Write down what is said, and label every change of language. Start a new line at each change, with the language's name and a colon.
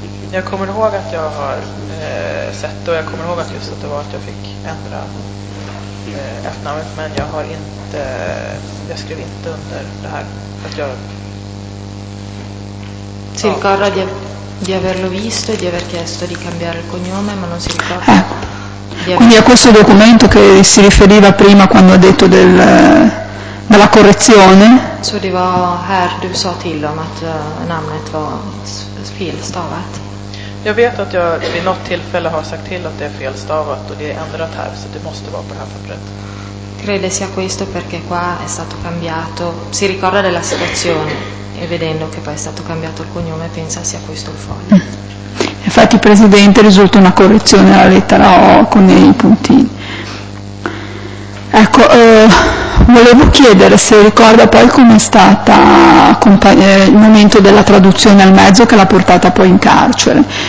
Swedish: Jag kommer ihåg att jag har sett och jag kommer ihåg att just att det var att jag fick ändra efternamnet, men jag har inte, jag skrev inte under det här att jag
Italian: si ricorda di averlo visto e di aver chiesto di cambiare il cognome, ma non si ricorda. Quindi a questo documento che si riferiva prima quando ha detto del della correzione.
Swedish: Så det var här du sa till om att namnet var felstavat. Jag vet att jag vid något tillfälle har sagt till att det är felstavat och det är ändrat här, så det måste vara på det här pappret.
Italian: Crede sia questo perché qua è stato cambiato. Si ricorda della situazione e vedendo che poi è stato cambiato il cognome pensa sia questo il foglio. Infatti, presidente, risulta una correzione alla lettera O con i puntini. Ecco, volevo chiedere se ricorda poi com'è stata il momento della traduzione al mezzo che l'ha portata poi in carcere.